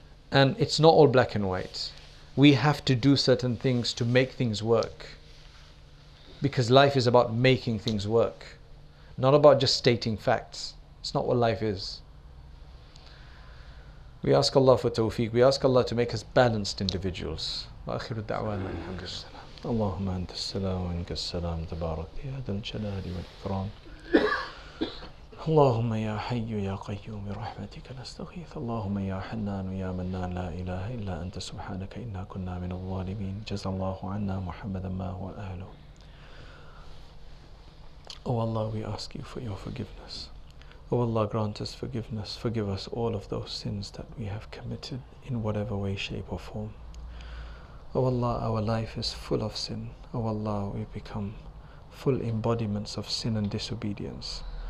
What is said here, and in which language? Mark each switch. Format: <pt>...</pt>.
<en>And it's not all black and white. We have to do certain things to make things work. Because life is about making things work, not about just stating facts. It's not what life is. We ask Allah for tawfiq. We ask Allah to make us balanced individuals.</en> <ar>وَأَخِرُ الدَّعْوَانَ الْحَمْدُ السَّلَامِ اللَّهُمَّ أَنْتَ السَّلَامُ وَإِنْكَ السَّلَامُ تَبَارَكَ يَا ذَا الْجَلَالِ وَالْإِكْرَامِ اللهم يا حي يا قيوم برحمتك نستغيث اللهم يا حنان يا منان لا إله إلا أنت سبحانك إنا كنا من الظالمين جزى الله عنا محمدا ما هو أهله.</ar> <en>Oh Allah, we ask you for your forgiveness. Oh Allah, grant us forgiveness. Forgive us all of those sins that we have committed in whatever way, shape or form. Oh Allah, our life is full of sin. Oh Allah, we become full embodiments of sin and disobedience.</en>